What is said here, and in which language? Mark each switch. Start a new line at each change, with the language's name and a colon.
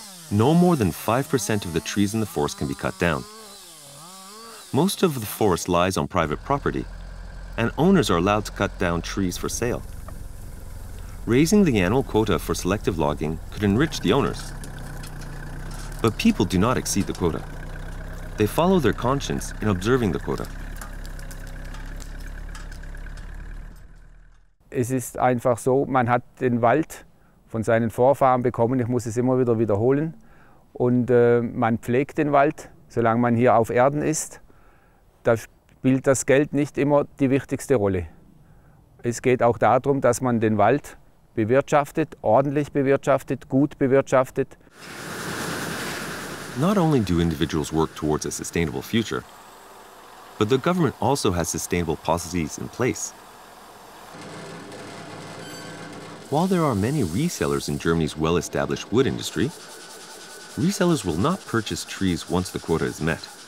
English: No more than 5% of the trees in the forest can be cut down. Most of the forest lies on private property, and owners are allowed to cut down trees for sale. Raising the annual quota for selective logging could enrich the owners. But people do not exceed the quota. They follow their conscience in observing the quota.
German: Es ist einfach so, man hat den Wald von seinen Vorfahren bekommen, ich muss es immer wieder wiederholen, und man pflegt den Wald, solange man hier auf Erden ist. Da spielt das Geld nicht immer die wichtigste Rolle. Es geht auch darum, dass man den Wald bewirtschaftet, ordentlich bewirtschaftet, gut bewirtschaftet.
English: Not only do individuals work towards a sustainable future, but the government also has sustainable policies in place. While there are many resellers in Germany's well-established wood industry, resellers will not purchase trees once the quota is met.